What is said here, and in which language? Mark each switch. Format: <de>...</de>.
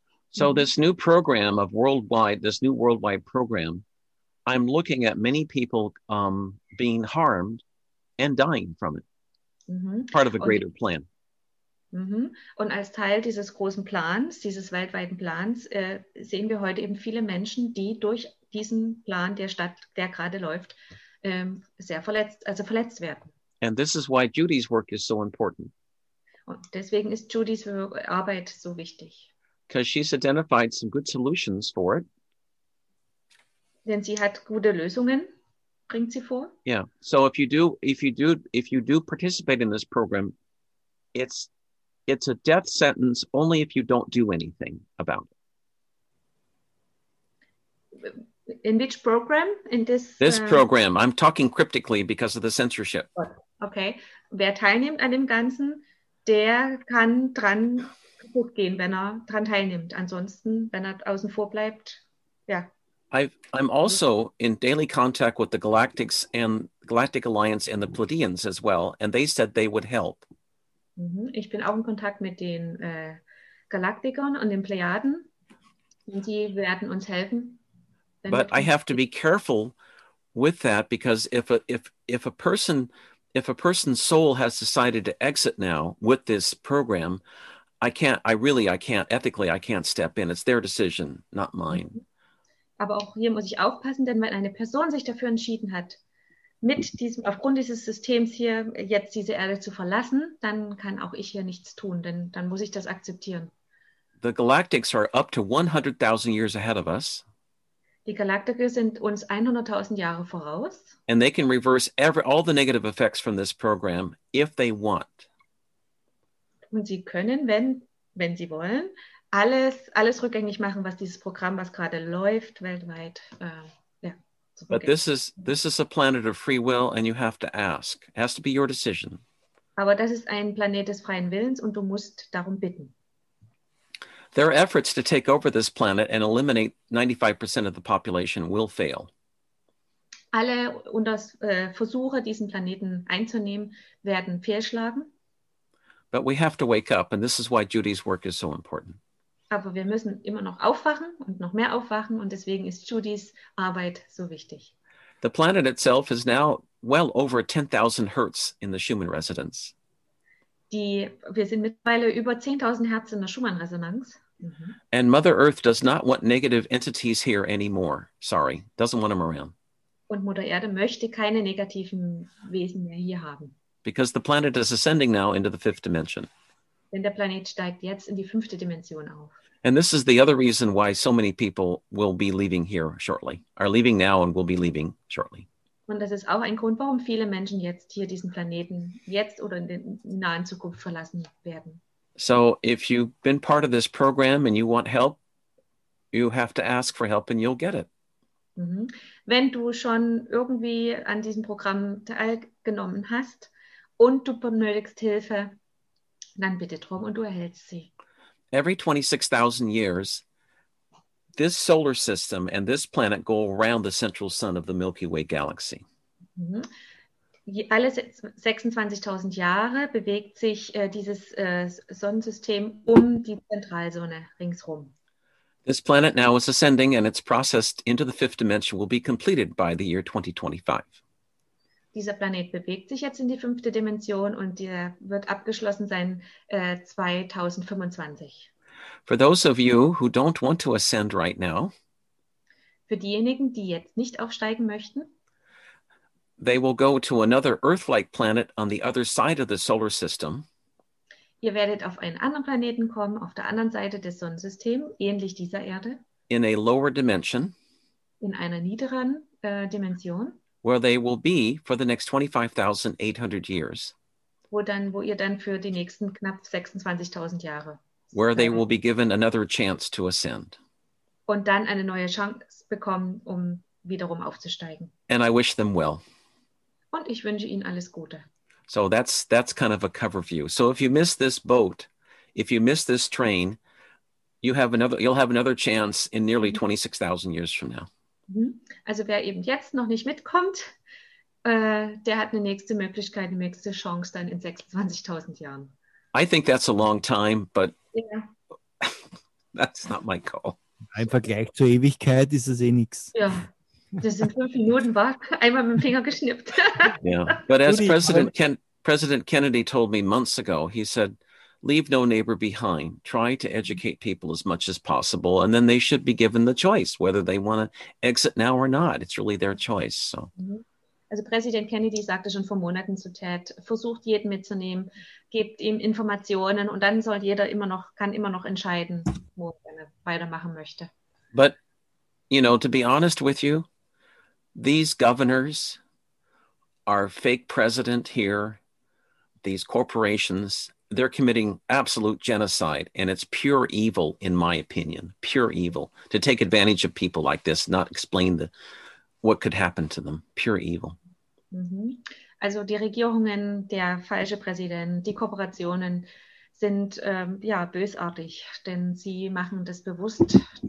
<en>So this new program of worldwide, this new worldwide program, I'm looking at many people being harmed and dying from it. Mm-hmm. Part of a greater plan. Mm-hmm.</en> <de>Und als Teil dieses großen Plans, dieses weltweiten Plans, sehen wir heute eben viele Menschen, die durch diesen Plan, der gerade läuft, verletzt werden.</de> <en>And this is why Judy's work is so important.</en> <de>Und deswegen ist Judys Arbeit so wichtig.</de> <en>Because she's identified some good solutions for it.</en> <de>Denn sie hat gute Lösungen, bringt sie vor. Yeah.</de> <en>So if you do participate in this program, it's a death sentence only if you don't do anything about it. In which program? In this? This program. I'm talking cryptically because of the censorship. Okay.</en> <de>Wer teilnimmt an dem Ganzen, der kann dran gut gehen, wenn er dran teilnimmt. Ansonsten, wenn er außen vor bleibt, ja.</de> <en>I'm also in daily contact with the Galactics and Galactic Alliance and the Pleiadians as well, and they said they would help.</en> <de>Ich bin auch in Kontakt mit den Galaktikern und den Plejaden. Und die werden uns helfen.</de> <en>But I have to be careful with that because if a person's soul has decided to exit now with this program, I can't step in. It's their decision, not mine.</en> <de>Aber auch hier muss ich aufpassen, denn wenn eine Person sich dafür entschieden hat, aufgrund dieses Systems hier jetzt diese Erde zu verlassen, dann kann auch ich hier nichts tun, denn dann muss ich das akzeptieren.</de> <en>The galactics are up to 100,000 years ahead of us.</en> <de>Die Galaktiker sind uns 100.000 Jahre voraus.</de> <en>And they can reverse all the negative effects from this program if they want.</en> <de>Und sie können, wenn sie wollen, alles rückgängig machen, was dieses Programm, was gerade läuft, weltweit.</de> <en>But this is a planet of free will, and you have to ask. It has to be your decision.</en> <de>Aber das ist ein Planet des freien Willens, und du musst darum bitten.</de> <en>Their efforts to take over this planet and eliminate 95% of the population will fail.</en> <de>Alle Versuche, diesen Planeten einzunehmen, werden fehlschlagen.</de> <en>But we have to wake up, and this is why Judy's work is so important.</en> <de>Aber wir müssen immer noch aufwachen und noch mehr aufwachen, und deswegen ist Judys Arbeit so wichtig.</de> <en>The planet itself is now well over 10,000 Hertz in the Schumann Resonance.</en> <de>Wir sind mittlerweile über 10.000 Hertz in der Schumann Resonanz. Mhm.</de> <en>And Mother Earth does not want negative entities here anymore. Sorry, doesn't want them around.</en> <de>Und Mutter Erde möchte keine negativen Wesen mehr hier haben.</de> <en>Because the planet is ascending now into the fifth dimension.</en> <de>Denn der Planet steigt jetzt in die fünfte Dimension auf.</de> <en>And this is the other reason why so many people will be leaving here shortly, are leaving now and will be leaving shortly.</en> <de>Und das ist auch ein Grund, warum viele Menschen jetzt hier diesen Planeten jetzt oder in der nahen Zukunft verlassen werden.</de> <en>So if you've been part of this program and you want help, you have to ask for help and you'll get it. Mhm.</en> <de>Wenn du schon irgendwie an diesem Programm teilgenommen hast und du benötigst Hilfe, dann bitte drum und du erhältst sie.</de> <en>Every 26,000 years, this solar system and this planet go around the central sun of the Milky Way galaxy. Mm-hmm.</en> <de>Alle 26,000 Jahre bewegt sich dieses Sonnensystem um die Zentralsonne ringsherum.</de> <en>This planet now is ascending, and its process into the fifth dimension will be completed by the year 2025.</en> <de>Dieser Planet bewegt sich jetzt in die fünfte Dimension, und der wird abgeschlossen sein 2025.</de> <en>For those of you who don't want to ascend right now,</en> <de>für diejenigen, die jetzt nicht aufsteigen möchten,</de> <en>they will go to another Earth-like planet on the other side of the solar system.</en> <de>Ihr werdet auf einen anderen Planeten kommen, auf der anderen Seite des Sonnensystems, ähnlich dieser Erde.</de> <en>In a lower dimension.</en> <de>In einer niederen Dimension.</de> <en>Where they will be for the next 25,800 years.</en> <de>Wo ihr dann für die nächsten knapp 26,000 Jahre.</de> <en>Where they will be given another chance to ascend.</en> <de>Und dann eine neue Chance bekommen, um wiederum aufzusteigen.</de> <en>And I wish them well.</en> <de>Und ich wünsche ihnen alles Gute.</de> <en>So that's kind of a cover view. So if you miss this boat, if you miss this train, you'll have another chance in nearly 26,000 years from now.</en> <de>Also wer eben jetzt noch nicht mitkommt, der hat eine nächste Möglichkeit, eine nächste Chance dann in 26,000 Jahren.</de> <en>I think that's a long time, but yeah. That's not my call.</en> <de>Im Vergleich zur Ewigkeit ist es eh nichts. Ja, das sind 5 Minuten, war einmal mit dem Finger geschnippt.</de> <en>Yeah, but as President Kennedy told me months ago, he said, leave no neighbor behind. Try to educate people as much as possible, and then they should be given the choice whether they want to exit now or not. It's really their choice. So.</en> <de>Also Präsident Kennedy sagte schon vor Monaten zu Ted: Versucht jeden mitzunehmen, gebt ihm Informationen, und dann soll jeder immer noch entscheiden, wo er gerne weitermachen möchte.</de> <en>But you know, to be honest with you, these governors, our fake president here, these corporations. They're committing absolute genocide, and it's pure evil, in my opinion, pure evil, to take advantage of people like this, not explain what could happen to them, pure evil. Mm-hmm.</en> <de>Also die Regierungen, der falsche Präsident, die Korporationen sind bösartig, denn sie machen das bewusst.</de>